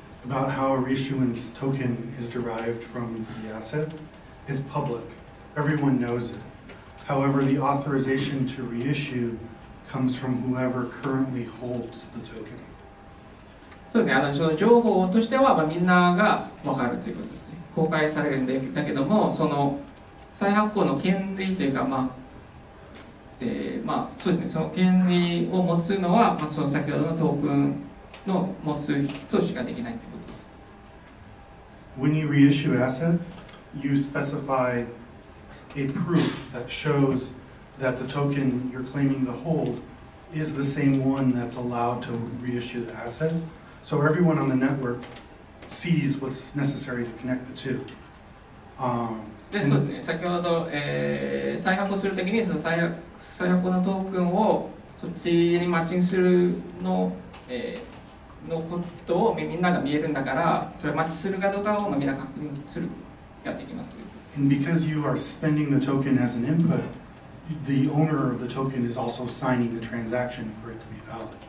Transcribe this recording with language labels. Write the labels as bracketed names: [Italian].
[English] about how a reissuance token is derived from the asset is public. Everyone knows it. However, the authorization to reissue comes from whoever currently holds the token. [Japanese] そうですね。その情報としてはみんながわかるということですね。公開されるんだけども、その再発行の権利というか、そうですね。その権利を持つのは、その先ほどのトークンの持つ人しかできないということです。 [English] When you reissue asset, you specify a proof that shows that the token you're claiming to hold is the same one that's allowed to reissue the asset. So everyone on the network sees what's necessary to connect the two. [Japanese] で、そうですね。先ほど、再発行するときにその再発行のトークンをそっちにマッチングするの、のことをみんなが見えるんだから、それをマッチするかどうかをみんな確認する、やっていきます。 [English] And because you are spending the token as an input, the owner of the token is also signing the transaction for it to be valid.